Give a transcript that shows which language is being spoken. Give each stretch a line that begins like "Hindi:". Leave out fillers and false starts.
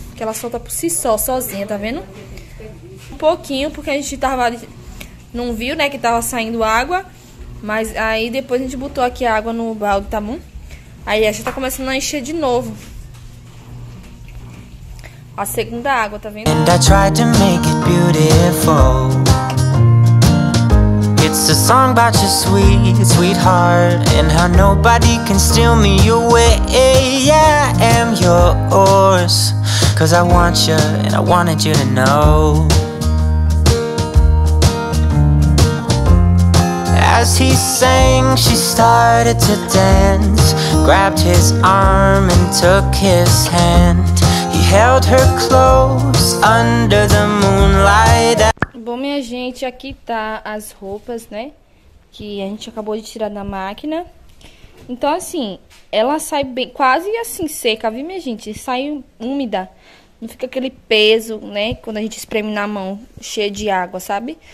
Portuguese: Que ela solta por si só, sozinha, tá vendo? Um pouquinho, porque a gente tava, não viu, né, que tava saindo água. Mas aí depois a gente botou aqui a água no balde, tá bom? Aí a gente tá começando a encher de novo a segunda água, tá vendo?
English: And I tried to make it beautiful. It's a song about your sweetheart and how nobody can steal me away. Yeah, I am yours, 'cause I want you and I wanted you to know. As he sang, she started to dance, grabbed his arm and took his hand. He held her close under the moonlight.
Portuguese: Bom, minha gente, aqui tá as roupas, né, que a gente acabou de tirar da máquina. Então, assim, ela sai bem, quase assim, seca, viu, minha gente? Sai úmida, não fica aquele peso, né, quando a gente espreme na mão, cheia de água, sabe?